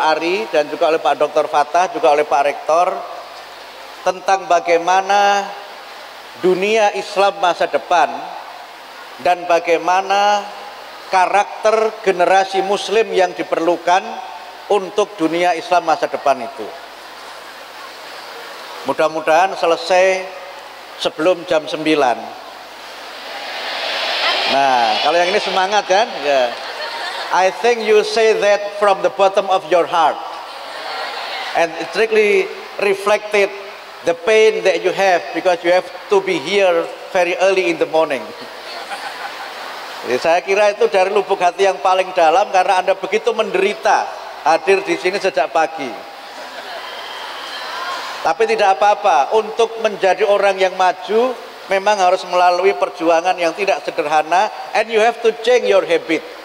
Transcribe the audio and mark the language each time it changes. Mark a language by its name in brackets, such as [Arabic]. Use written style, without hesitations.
[Indonesian] Ari dan juga oleh Pak Dr. Fatah, juga oleh Pak Rektor, tentang bagaimana dunia Islam masa depan dan bagaimana karakter generasi Muslim yang diperlukan untuk dunia Islam masa depan itu. Mudah-mudahan selesai sebelum jam 9. Nah, kalau yang ini semangat kan? Ya. [English] I think you say that from the bottom of your heart, and it strictly reflected the pain that you have because you have to be here very early in the morning. [Indonesian] Jadi saya kira itu dari lubuk hati yang paling dalam karena Anda begitu menderita hadir di sini sejak pagi. Tapi tidak apa-apa, untuk menjadi orang yang maju memang harus melalui perjuangan yang tidak sederhana, [English] and you have to change your habit.